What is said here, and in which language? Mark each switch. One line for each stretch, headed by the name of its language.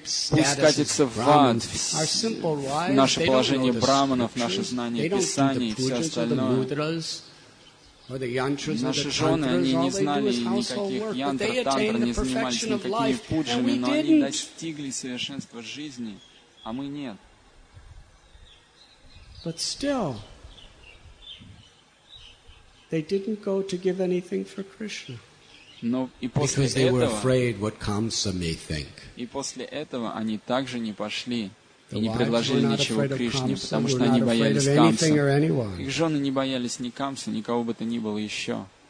Russian: Пусть катится в ад наше положение браманов, наше знание Писаний и все остальное. Наши жены, они не знали никаких янтр, тантр, не занимались никакими пуджами, но они достигли совершенства жизни, а мы нет.
English: But still, they didn't go to give anything for Krishna.
Russian: Но и после этого, они также не пошли и не предложили ничего Кришне, потому что они боялись Камса. Их жены не боялись ни Камса, ни кого бы то ни было еще.